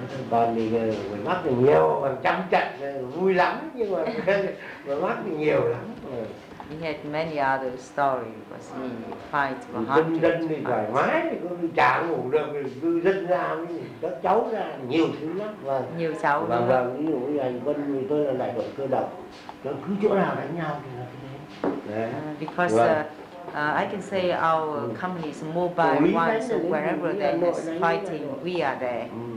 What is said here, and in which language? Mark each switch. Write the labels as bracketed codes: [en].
[vi] Còn thì người mắc thì nhiều, còn trăm trận vui lắm, nhưng mà mắc thì nhiều lắm. [en] He had many other stories, but he fights for hard. [vi] Dân dân thì thoải mái, cứ chả ngủ được, cứ dân ra, các cháu ra, nhiều thứ lắm. Vâng. Nhiều cháu. Vâng, vâng, ví dụ như anh Quân, thì tôi là đại đội cơ động, cứ chỗ nào đánh nhau thì là thế. [en] Because I can say our company is mobile one, so wherever there is fighting, we are there.